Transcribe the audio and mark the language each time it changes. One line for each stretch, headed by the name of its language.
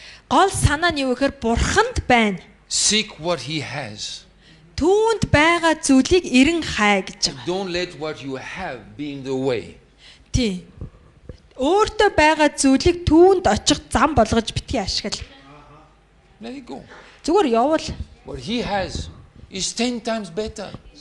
Mongolian: Гол санаа нь юу гэхээр Бурханд байна.
English: Seek what he has.
Mongolian: Түүнд байгаа зүйлийг ирэн хай гэж байгаа.
English: Don't let what you have be in the way.
Mongolian: Тий. Өөртөө байгаа зүйлийг түүнд очих зам болгож битгий ашигла.
English: Let go.
Mongolian: Зүгээр явал.
English: What he has is 10 times better.